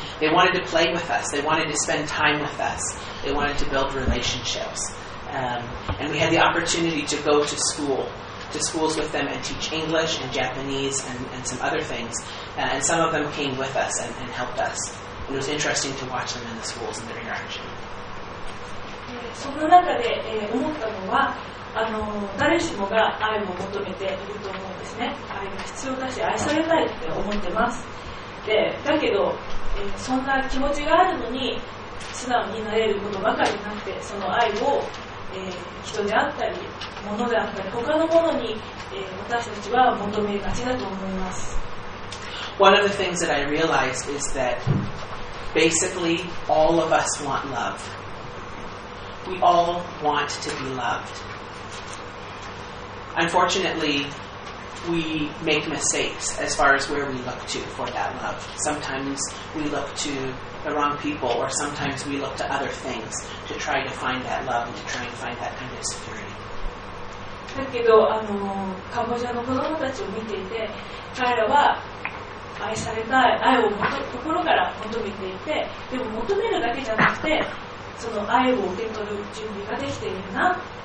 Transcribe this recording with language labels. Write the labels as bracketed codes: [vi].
[en] They wanted to play with us. They wanted to spend time with us. They wanted to build relationships. And we had the opportunity to go to school, to schools with them and teach English and Japanese and some other things. And some of them came with us and helped us. And it was interesting to watch them in the schools and their interaction. [ja] その中で、思ったのは、誰しもが愛を求めていると思うんですね。愛が必要だし愛されたいって思ってます。でだけど、そんな気持ちがあるのに素直になれることばかりなくて、その愛を、人であったり物であったり他のものに、私たちは求めがちだと思います。 [en] One of the things that I realized is that basically all of us want love. We all want to be lovedUnfortunately, we make mistakes as far as where we look to for that love. Sometimes we look to the wrong people, or sometimes we look to other things to try to find that love and to try and find that kind of security. [ja] だけど、カンボジアの子供たちを見ていて、彼らは愛されたい、愛を心から求めていて、でも求めるだけじゃなくて、その愛を受け取る準備ができているな。